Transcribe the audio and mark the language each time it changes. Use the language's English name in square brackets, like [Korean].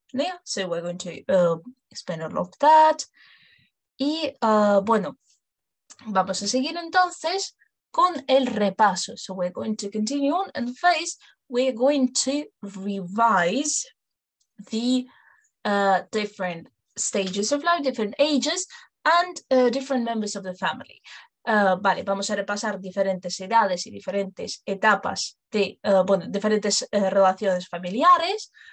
[English] Yeah, so we're going to explain all of that. [Spanish] Y bueno, vamos a seguir entonces con el repaso. [English] So we're going to continue on, and first we're going to revise the different stages of life, different ages, and different members of the family. [Spanish] Vale, vamos a repasar diferentes edades y diferentes etapas de, bueno, diferentes relaciones familiares.